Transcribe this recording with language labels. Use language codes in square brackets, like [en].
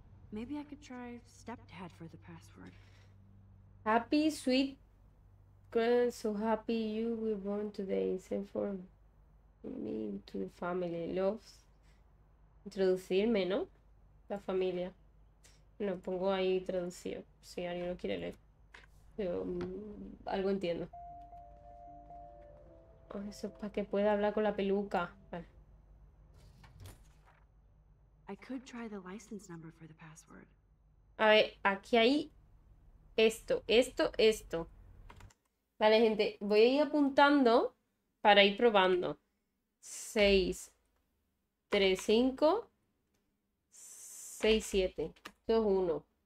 [en] Maybe I could try stepdad for the password. Happy, sweet girl, so happy you were born today. Send for me to the family. [es] Loves. Introducirme, ¿no? La familia. Bueno, pongo ahí traducido, si alguien lo quiere leer. Pero algo entiendo. Oh, eso es para que pueda hablar con la peluca. Vale. [en] I could try the license number for the password. [es] A ver, aquí hay esto, esto, esto. Vale, gente, voy a ir apuntando para ir probando. 6, 3, 5, 6, 7, 2, 1.